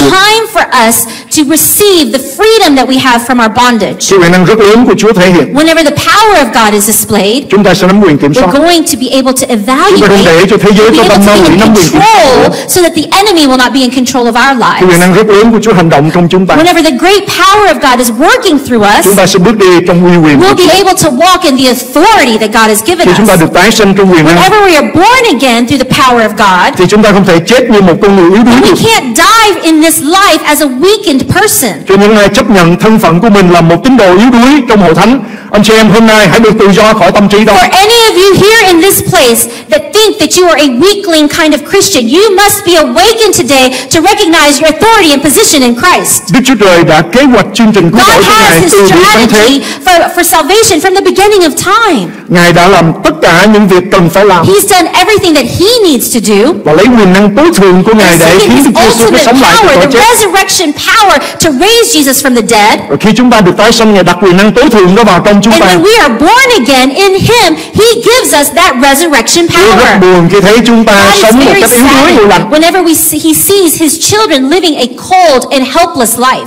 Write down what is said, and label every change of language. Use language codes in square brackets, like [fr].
[en] It's time for us to receive the freedom that we have from our bondage. [vi] Khi quyền năng rất lớn của Chúa thể hiện. [en] Whenever the power of God is displayed, [vi] chúng ta sẽ nắm quyền kiểm soát. [en] We're going to be able to evaluate. [vi] Chúng ta để cho thế giới [en] we'll [vi] có tâm năng nắm quyền kiểm soát. [en] So that the enemy will not be in control of our lives. [vi] Quyền năng rất lớn của Chúa hành động trong chúng ta. [en] Whenever the great power of God is working through us, [vi] chúng ta sẽ bước đi trong uy quyền. [en] We'll be able to walk in the authority that God has given us. [vi] Chúng ta được tái sinh trong quyền năng. [en] Whenever we are born again through the power of God, [vi] thì chúng ta không thể chết như một con người yếu đuối. [en] We can't die in this life as a weakened person. [vi] Cho những ai chấp nhận thân phận của mình là một tín đồ yếu đuối trong hội thánh. Anh chị em hôm nay hãy được tự do khỏi tâm trí đó. [en] For any of you here in this place that think that you are a weakling kind of Christian, you must be awakened today to recognize your authority and position in Christ. [vi] Đức Chúa Trời đã kế hoạch chương trình cứu rỗi của Ngài từ đời sáng thế. [en] For salvation from the beginning of time. [vi] Ngài đã làm tất cả những việc cần phải làm. [en] He's done everything that He needs to do. [vi] Và lấy quyền năng tối thượng của Ngài để khiến Chúa sống lại từ chết. [en] The resurrection power to raise Jesus from the dead. [vi] Và khi chúng ta được tái sinh, Ngài đặt quyền năng tối thượng đó vào trong. [en] And when we are born again in Him, He gives us that resurrection power. God is very sad whenever He sees His children living a cold and helpless life.